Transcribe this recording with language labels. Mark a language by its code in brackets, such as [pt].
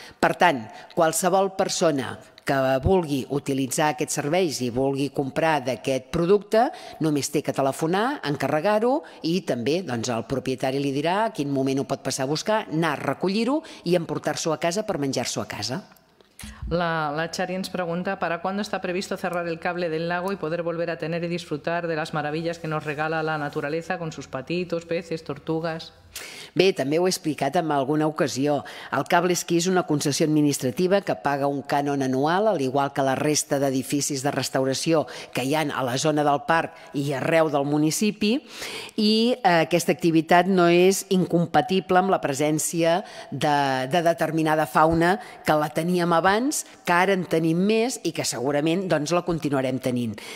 [ca] Per tant, qualsevol persona que vulgui utilitzar aquests serveis i vulgui comprar d'aquest producte, només té que telefonar, encarregar-ho, i també el propietari li dirà a quin moment ho pot passar a buscar, anar a recollir-ho i emportar-s'ho a casa per menjar-s'ho a casa. [es] La Xari [ca] ens pregunta: [es] ¿para cuándo está previsto cerrar el cable del lago y poder volver a tener y disfrutar de las maravillas que nos regala la naturaleza con sus patitos, peces, tortugas? [ca] Bé, també ho he explicat en alguna ocasió. El cable esquí és una concessió administrativa que paga un cànon anual, a l'igual que la resta d'edificis de restauració que hi ha a la zona del parc i arreu del municipi, i aquesta activitat no és incompatible amb la presència de determinada fauna que la teníem abans, que ara en tenim més i que segurament la continuarem tenint.